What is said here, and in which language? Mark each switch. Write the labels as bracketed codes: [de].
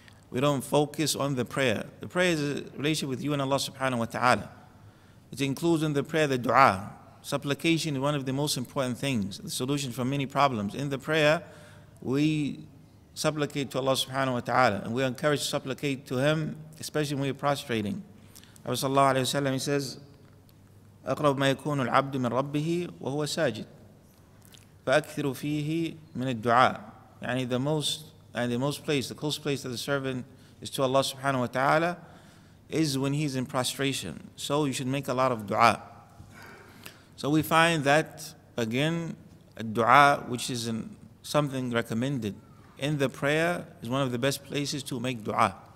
[en] We don't focus on the prayer. The prayer is a relationship with you and Allah subhanahu wa ta'ala. It includes in the prayer the dua. Supplication is one of the most important things, the solution for many problems. In the prayer, we supplicate to Allah subhanahu wa ta'ala, and we are encouraged to supplicate to Him, especially when we are prostrating. Prophet sallallahu alayhi wa sallam, he says, [ar] أَقْرَبْ مَا يَكُونُ الْعَبْدُ مِنْ رَبِّهِ وَهُوَ سَاجِدٌ فَأَكْثِرُ فِيهِ مِنَ الدُّعَاءِ. [en] يعني the most, and the most place, the close place that the servant is to Allah subhanahu wa ta'ala is when he's in prostration. So you should make a lot of dua. So we find that, again, a dua, which is something recommended in the prayer, is one of the best places to make dua.